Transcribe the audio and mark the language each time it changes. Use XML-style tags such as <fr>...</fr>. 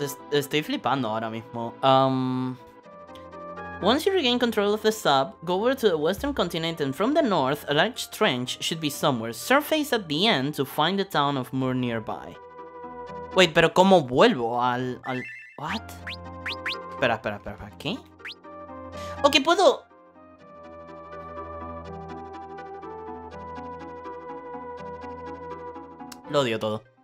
<es>Estoy flipando ahora mismo.</es> <en>Once you regain control of the sub, go over to the western continent and from the north, a large trench should be somewhere. Surface at the end to find the town of Moor nearby.</en> <es>Wait, pero ¿cómo vuelvo al... what? Espera, ¿qué? Ok, puedo... lo odio todo.</es>